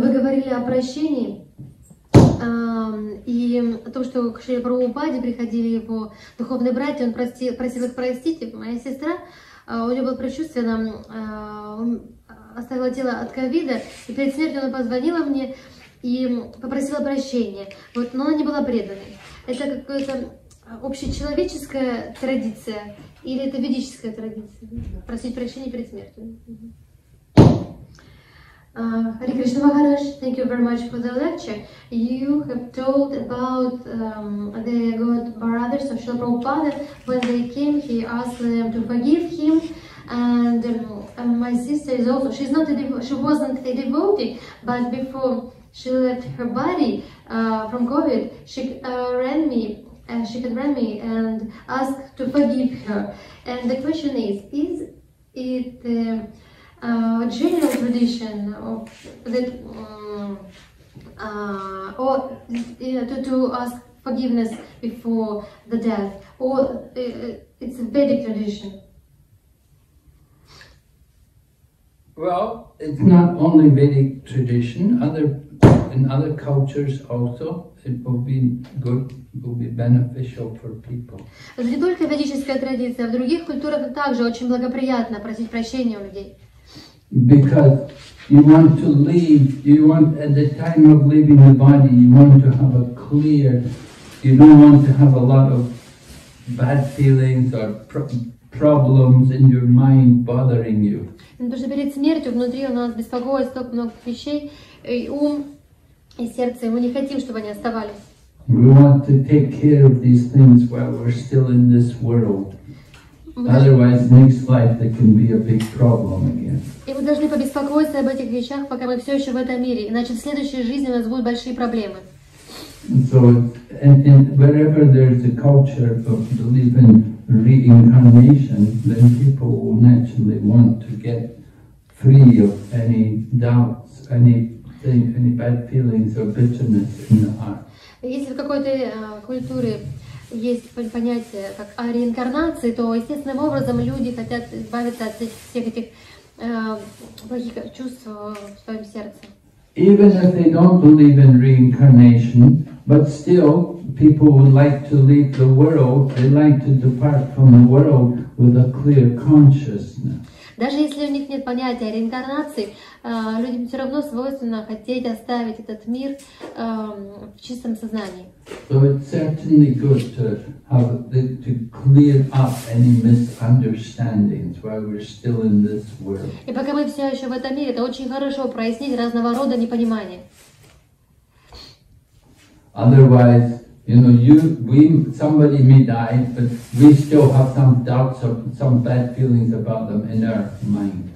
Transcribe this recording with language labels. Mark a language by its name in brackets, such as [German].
[Russian] Вы говорили о прощении. И о том, что к Шри Прабхупаде приходили его духовные братья, он просил их простить, и моя сестра, у нее было предчувствие, она оставила тело от ковида, и перед смертью она позвонила мне и попросила прощения, вот, но она не была преданной. Это какая-то общечеловеческая традиция или это ведическая традиция? Просить прощения перед смертью. [English] Hare Krishna Maharaj, thank you very much for the lecture. You have told about the good brothers of Srila Prabhupada. When they came, he asked them to forgive him. And my sister is also, she wasn't a devotee, but before she left her body from COVID, she had run me and asked to forgive her. And the question is it general tradition of that, to ask forgiveness before the death, or it's a Vedic tradition? Well, it's not only Vedic tradition. In other cultures also, it will be good, will be beneficial for people. [Russian] Не только ведическая традиция, в других культурах также очень благоприятно просить прощения у людей. [English] Because you want to leave, you want at the time of leaving the body, you want to have a clear. You don't want to have a lot of bad feelings or problems in your mind bothering you. [Russian] Потому что перед смертью внутри у нас беспокоит столько много вещей, и ум и сердце. Мы не хотим, чтобы они оставались. [English] We want to take care of these things while we're still in this world. Otherwise, next life there can be a big problem again. [Russian] И мы должны побеспокоиться об этих вещах, пока мы все еще в этом мире. Иначе в следующей жизни у нас будут большие проблемы. [English] So, and wherever there is a culture of belief in reincarnation, then people will naturally want to get free of any doubts, any bad feelings or bitterness in the heart. [Russian] Если в какой-то культуре есть понятие как о реинкарнации, то естественным образом люди хотят избавиться от всех этих плохих чувств в своем сердце. [English] Even if they don't believe in reincarnation, but still people would like to leave the world, they like to depart from the world with a clear consciousness. [Russian] Даже если у них нет понятия о реинкарнации, людям все равно свойственно хотеть оставить этот мир в чистом сознании. [English] So it's certainly good to have to clear up any misunderstandings while we're still in this world. [Russian] И пока мы все еще в этом мире, это очень хорошо прояснить разного рода непонимания. [English] Otherwise, you know, somebody may die, but we still have some doubts or some bad feelings about them in our mind.